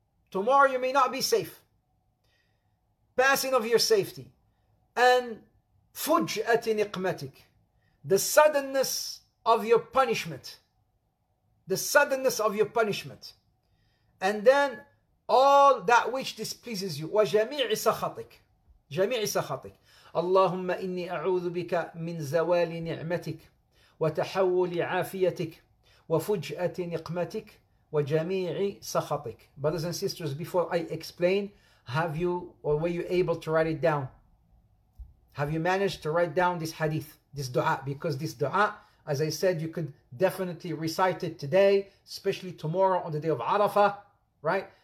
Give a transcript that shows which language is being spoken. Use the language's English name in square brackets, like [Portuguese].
[English] Tomorrow you may not be safe. Passing of your safety. And [Arabic] fujati niqmatik. [English] The suddenness of your punishment. The suddenness of your punishment. And then all that which displeases you. [Arabic] وَجَمِيعِ سَخَطِكَ. جَمِيعِ سَخَطِكَ. اللهم إني أعوذ بك من زوال نعمتك وتحول عافيتك وفجأة نقمتك وجميع سخطك. [English] Brothers and sisters, before I explain, have you or were you able to write it down? Have you managed to write down this hadith, this dua? Because this dua, as I said, you could definitely recite it today, especially tomorrow on the day of Arafah. Right?